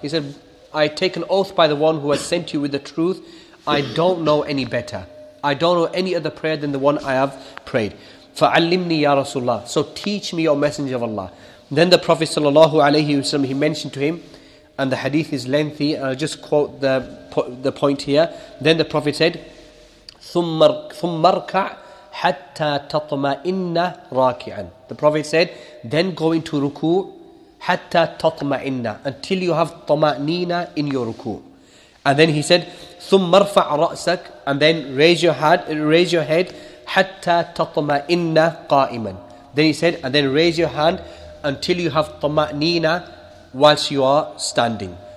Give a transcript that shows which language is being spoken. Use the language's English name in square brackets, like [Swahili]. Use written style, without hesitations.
[English] He said, I take an oath by the one who has sent you with the truth, I don't know any better. I don't know any other prayer than the one I have prayed. [Arabic] فَعَلِّمْنِي يَا رَسُولَ اللَّهِ. [English] So teach me, O Messenger of Allah. Then the Prophet sallallahu alayhi wasallam, he mentioned to him, and the hadith is lengthy, and I'll just quote the point here. Then the Prophet said, [Arabic] ثُمَّ ارْكَعْ حَتَّى تَطْمَئِنَّ رَاكِعًا. [English] The Prophet said, then go into ruku' [Arabic] حَتَّى تَطْمَئِنَّ, [English] until you have طَمَأْنِينَ in your ruku'. And then he said, [Arabic] ثُمَّ ارْفَعْ رَأْسَكْ, [English] and then raise your head, [Arabic] حَتَّى تَطْمَئِنَّ قَائِمًا. [English] Then he said, and then raise your hand until you have طَمَأْنِينَ whilst you are standing.